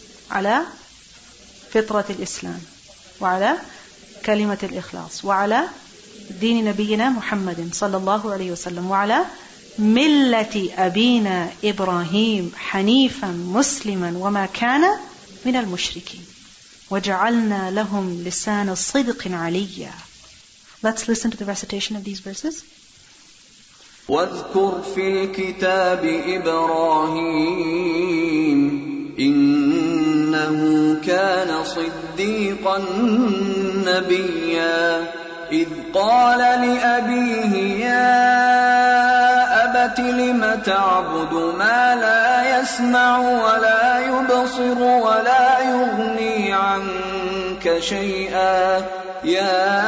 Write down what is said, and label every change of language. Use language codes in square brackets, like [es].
[ar] على فطرة الإسلام وعلى كلمة الإخلاص وعلى دين نبينا محمد صلى الله عليه وسلم وعلى ملة أبينا إبراهيم حنيفا مسلما وما كان من المشركين وجعلنا لهم لسان صدق عليا. [en] Let's listen to the recitation of these verses. [ar] واذكر في الكتاب إبراهيم إنه كان صديقا نبيا إذ قال لأبيه يا أبت لم تعبد ما لا يسمع ولا يبصر ولا يغني عنك شيئا يا